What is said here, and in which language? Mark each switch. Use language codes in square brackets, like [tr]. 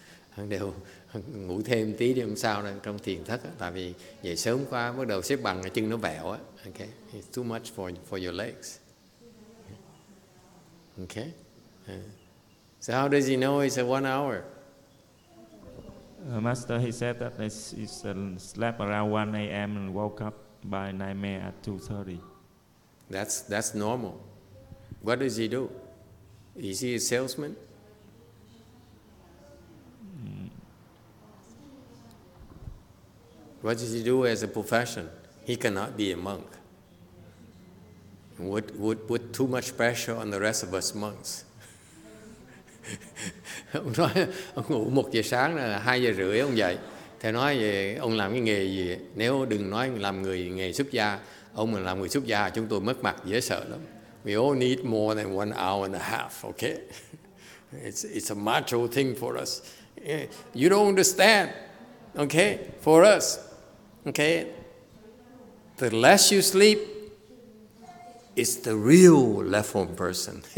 [vi] Hằng đều ngủ thêm tí đi không sao đâu trong thiền thất, tại vì dậy sớm quá bắt đầu xếp bằng chân nó vẹo á. [en] Okay, it's too much for your legs. Okay, so how does he know it's a 1 hour? Master, he said that he's slept around 1 a.m. and woke up by nightmare at 2:30. That's normal. What does he do? Is he a salesman? What does he do as a profession? He cannot be a monk. Would put too much pressure on the rest of us monks. [vi] Ông nói ông ngủ 1 giờ sáng là 2:30 ông dậy. Thầy nói ông làm cái nghề gì? Nếu đừng nói làm người nghề xuất gia, ông mà làm người xuất gia chúng tôi mất mặt dễ sợ lắm. [en] We all need more than 1 hour and a half, okay? It's a macho thing for us. You don't understand, okay? For us, okay? The less you sleep, it's the real left-home person.